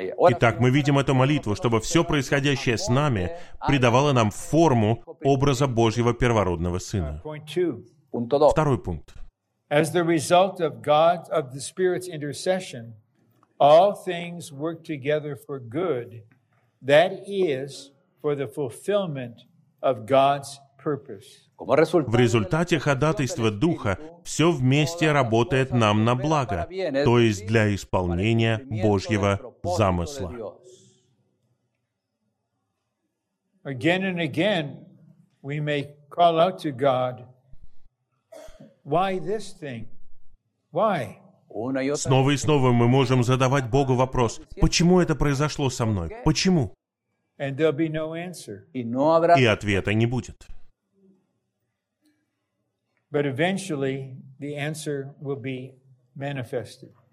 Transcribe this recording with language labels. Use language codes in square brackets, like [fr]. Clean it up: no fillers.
[ru] Итак, мы видим эту молитву, чтобы все происходящее с нами придавало нам форму образа Божьего первородного Сына. Второй пункт. [en] As the result of God's of the Spirit's intercession, all things work together for good, that is, for the fulfillment of God's purpose. [ru] В результате ходатайства Духа все вместе работает нам на благо, то есть для исполнения Божьего замысла. [en] Again and again, we may call out to God, Why this thing? Why? [ru] Снова и снова мы можем задавать Богу вопрос, почему это произошло со мной? Почему? [en] And there'll be no answer. [ru] И ответа не будет. [en] But eventually the answer will be manifested.